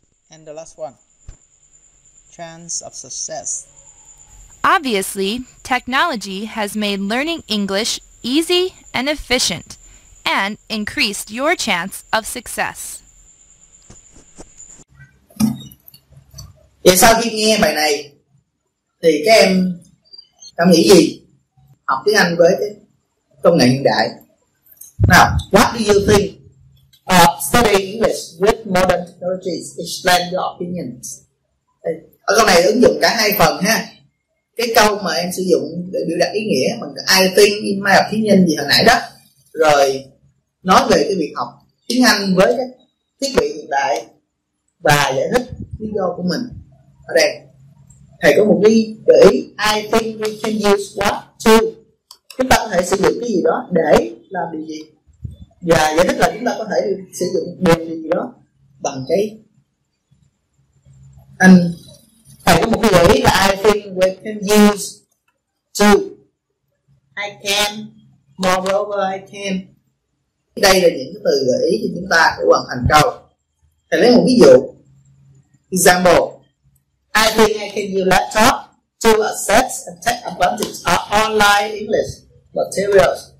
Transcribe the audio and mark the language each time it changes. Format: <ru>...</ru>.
<en>And the last one, chance of success. Obviously, technology has made learning English easy and efficient and increased your chance of success.</en> <vi>Vậy sau khi nghe bài này thì các em cảm nghĩ gì? Học tiếng Anh với công nghệ hiện đại.</vi> <en>Now, what do you think? Studying English with modern technologies, explain your opinions.</en> <vi>Ở câu này ứng dụng cả hai phần ha. Cái câu mà em sử dụng để biểu đạt ý nghĩa bằng</vi> <en>I think in my opinion</en> <vi>gì hồi nãy đó, rồi nói về cái việc học tiếng Anh với các thiết bị hiện đại và giải thích lý do của mình. Ở đây thầy có một cái gợi ý.</vi> <en>I think we can use what to.</en> <vi>Chúng ta có thể sử dụng cái gì đó để làm điều gì, và giải thích là chúng ta có thể sử dụng một điều gì đó bằng cái anh. Thầy có một cái gợi ý là</vi> <en>I think we can use to. I can, moreover I can.</en> <vi>Đây là những cái từ gợi ý cho chúng ta để hoàn thành câu. Thầy lấy một ví dụ.</vi> <en>Example. I think I can use laptop to access and take advantage of online English materials.</en>